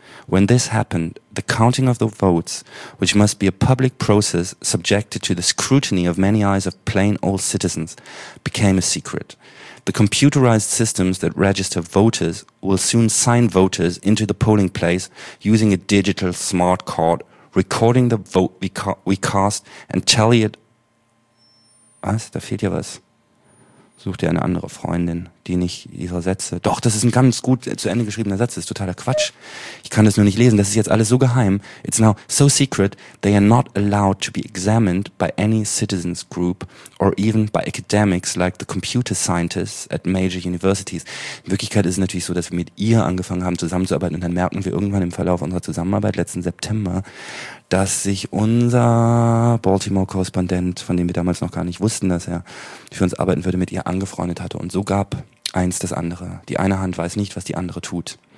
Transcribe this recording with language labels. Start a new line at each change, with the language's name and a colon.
English: When this happened, the counting of the votes, which must be a public process subjected to the scrutiny of many eyes of plain old citizens, became a secret. The computerized systems that register voters will soon sign voters into the polling place using a digital smart card, recording the vote we cast and tally it.
German: Was? Da fehlt ja was. Such dir eine andere Freundin, die nicht ihre Sätze... Doch, das ist ein ganz gut zu Ende geschriebener Satz. Das ist totaler Quatsch. Ich kann das nur nicht lesen. Das ist jetzt alles so geheim.
English: It's now so secret, they are not allowed to be examined by any citizens group or even by academics like the computer scientists at major universities.
German: In Wirklichkeit ist es natürlich so, dass wir mit ihr angefangen haben zusammenzuarbeiten und dann merken wir irgendwann im Verlauf unserer Zusammenarbeit letzten September, dass sich unser Baltimore-Korrespondent, von dem wir damals noch gar nicht wussten, dass er für uns arbeiten würde, mit ihr angefreundet hatte. Und so gab eins das andere. Die eine Hand weiß nicht, was die andere tut.